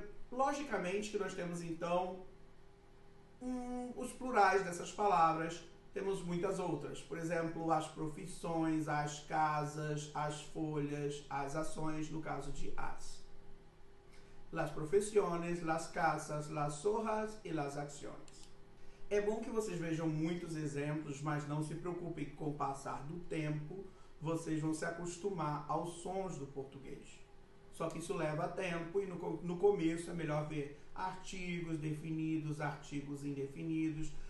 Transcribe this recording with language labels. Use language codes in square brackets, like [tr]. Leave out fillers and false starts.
[pt] Logicamente que nós temos então os plurais dessas palavras, temos muitas outras. Por exemplo, as profissões, as casas, as folhas, as ações, no caso de as. [es] Las profesiones, las casas, las hojas y las acciones. [pt] É bom que vocês vejam muitos exemplos, mas não se preocupem, com o passar do tempo, vocês vão se acostumar aos sons do português. Só que isso leva tempo e no começo é melhor ver artigos definidos, artigos indefinidos.